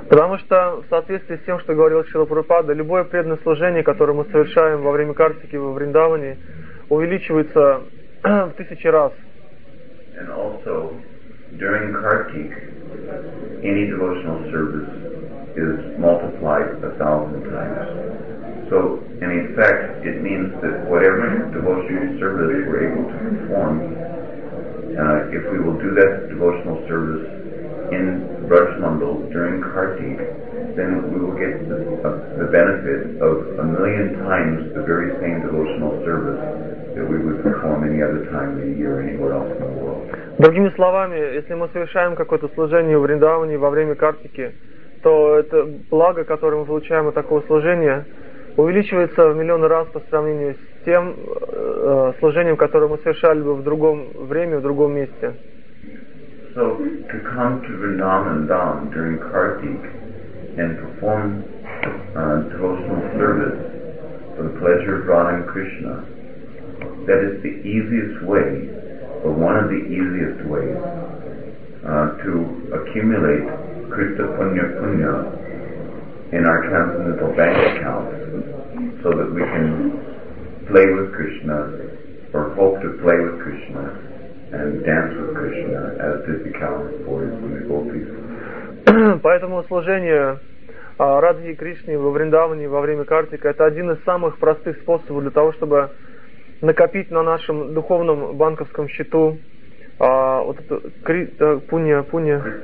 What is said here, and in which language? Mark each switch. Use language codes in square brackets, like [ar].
[ru] Потому что в соответствии с тем, что говорил Шрила Прабхупада, любое преданное служение, которое мы совершаем во время Картики во Вриндаване, увеличивается в тысячи раз. [en] And also, during Kartik, any devotional service is multiplied 1,000 times. So, in effect, it means that whatever devotional service we're able to perform, if we will do that devotional service in Braj Mandal during Kartik, then we will get the benefit of 1,000,000 times the very same devotional service that we would perform any other time in a year anywhere else in the world. [ru] Другими словами, если мы совершаем какое-то служение в Вриндаване во время Картики, то это благо, которое мы получаем от такого служения, увеличивается в миллионы раз по сравнению с тем служением, которое мы совершали бы в другом время, в другом месте. [en] So, to come to Vrindavan Dham during Kartik and perform devotional service for the pleasure of Radha and Krishna, that is the easiest way, but one of the easiest ways to accumulate Krishna Punya Punya in our transcendental bank account so that we can play with Krishna or hope to play with Krishna and dance with Krishna as did the countless boys and the gopis. [ru] Поэтому служение Радхи Кришне во Вриндаване во время Картика это один из самых простых способов для того, чтобы накопить на нашем духовном банковском счету вот это пунья-пунья.